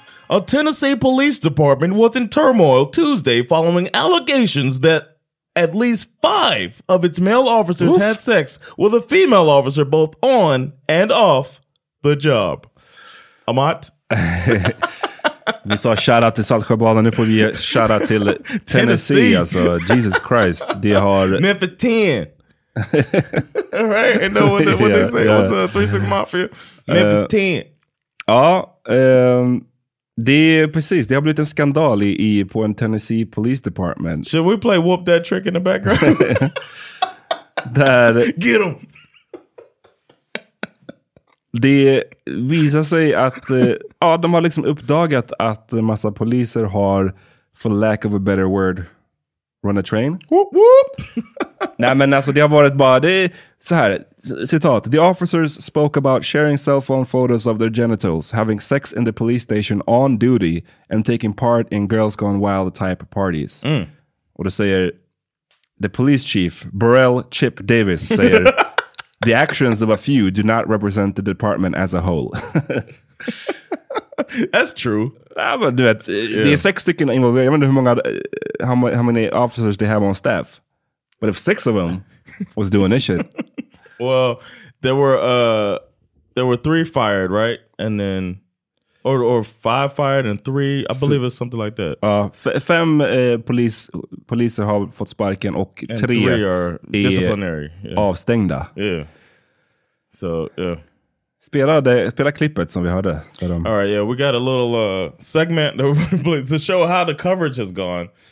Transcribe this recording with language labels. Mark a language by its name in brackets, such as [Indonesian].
[English] A Tennessee police department was in turmoil Tuesday following allegations that at least five of its male officers had sex with a female officer both on and off the job. Amat? [Swedish] Vi sa shout out till Saltsjöbaden, nu får vi shout out till Tennessee. Alltså, Jesus Christ, det har... Men för 10. [English] Right, I know what they say, yeah. What's 36 Mafia? [Swedish] Men för 10. Ja, det är precis, det har blivit en skandal i på en Tennessee Police Department. [English] Should we play Whoop That Trick in the background? [Swedish] Där, [English] get him! [Swedish] Det visar sig att ja, de har liksom uppdagat att en massa poliser har, [English] for lack of a better word, run a train. Whoop, whoop! [Swedish] Nej, men alltså det har varit bara, det är så här, citat. [English] The officers spoke about sharing cell phone photos of their genitals, having sex in the police station on duty, and taking part in Girls Gone Wild type parties. Mm. [Swedish] Och då säger [English] the police chief, Burrell Chip Davis, säger the actions of a few do not represent the department as a whole. That's true. Nah, men du vet, yeah. [Swedish] Det är sex stycken involverade. Jag vet inte hur många officers [English] they have on staff. But if six of them was doing this shit. Well, there were three fired, right? And then, or five fired and three, I believe it's something like that. [Swedish] Fem poliser har fått sparken och [English] tre are disciplinary. [Swedish] Yeah. Avstängda. [English] Yeah. So, yeah. [Swedish] Spela klippet som vi hörde. [English] All right, yeah, we got a little segment to show how the coverage has gone.